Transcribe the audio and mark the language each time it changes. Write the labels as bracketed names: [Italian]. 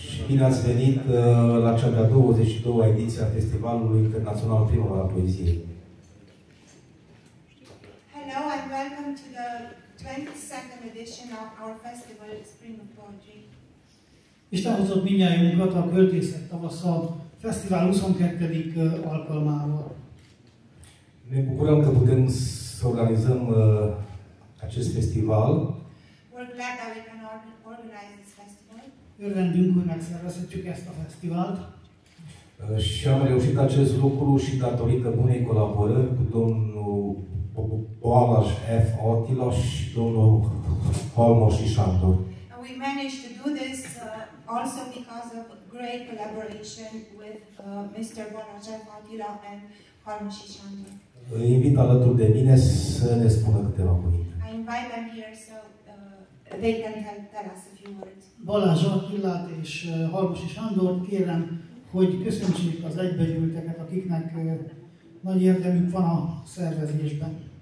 [Romanian] Bine ați venit la cea de-a 22-a ediție a Festivalului Internațional Primăvara Poeziei. [English] Hello and welcome to the 22nd edition of our festival Spring of Poetry. [Hungarian] Isten hozott mindnyájunkat a költészet tavaszal Festival 22. alkalmával. [Romanian] Ne bucurăm că putem să organizăm acest festival. [English] We're glad that we can organize this festival. [Hungarian] Örvendünk, hogy megszervezhetjük ezt a fesztivált. [Romanian] Și am reușit acest lucru și datorită bunei colaborări cu domnul Balázs F. Attila și domnul Halmosi Sándor. [English] We managed to do this also because of great collaboration with Mr. Balázs F. Attila and Halmosi Sándor. [Romanian] Îi invit alături de mine să ne spună câteva cuvinte. [English] I invite them here so they can tell us a few words. [Hungarian] Balázs Attilát és Halmosi Sándort kérem, hogy köszöntsék az egybegyűlteket, akiknek nagy érdemük van a szervezésben.